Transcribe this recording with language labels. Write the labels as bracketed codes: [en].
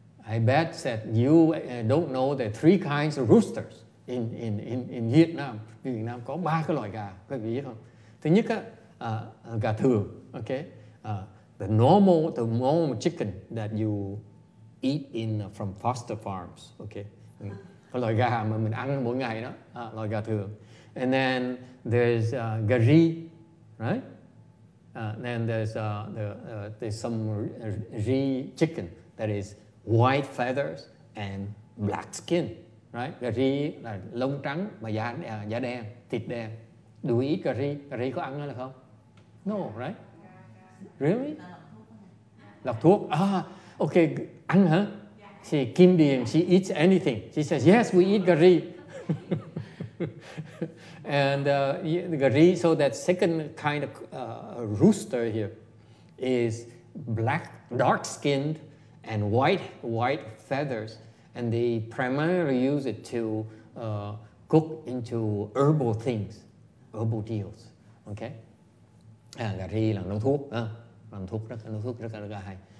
[en] I bet that you don't know there are three kinds of roosters in Vietnam. [vi] Việt Nam có ba cái loại gà, các vị biết không? Thứ nhất á, gà thường, okay? [en] The normal chicken that you eat in from foster farms, okay? [vi] Cái loại gà mà mình ăn mỗi ngày đó, loại gà thường. [en] And then there's gà ri, right? Then there's some ri chicken that is white feathers and black skin, right? [vi] Gà ri là lông trắng mà da đen, thịt đen. [en] Do we eat gà ri? [vi] Gà ri có ăn hay là không? [en] No, right? Really? [vi] Lọc thuốc. [en] Ah, okay. [vi] Ăn hả? [en] She Kim Điền, she eats anything. She says yes, we eat gà ri. And the gari, so that second kind of rooster here is black, dark skinned, and white feathers, and they primarily use it to cook into herbal things, herbal deals. [vi] Okay, gari là nấu thuốc, nấu thuốc rất là hay.